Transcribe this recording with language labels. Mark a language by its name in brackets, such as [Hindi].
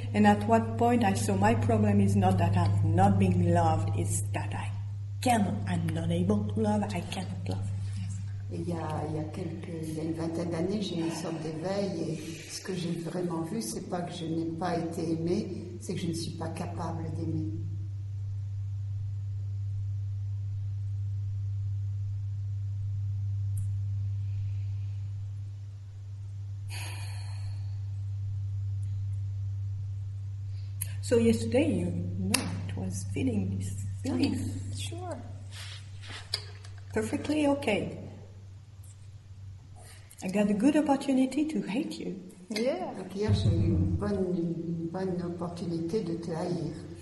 [English] And at what point I saw my problem is not that I'm not being loved; it's that I'm not able to love. I cannot love. [French] Il y a une vingtaine d'années, j'ai eu une sorte d'éveil. Et ce que j'ai vraiment vu, c'est pas que je n'ai pas été aimée, c'est que je ne suis pas capable d'aimer. [English] So yesterday, you know, it was feeling this feeling. Sure. Perfectly okay. I got a good opportunity to hate you. Yeah. [French] Hier, j'ai eu une bonne opportunité de te haïr.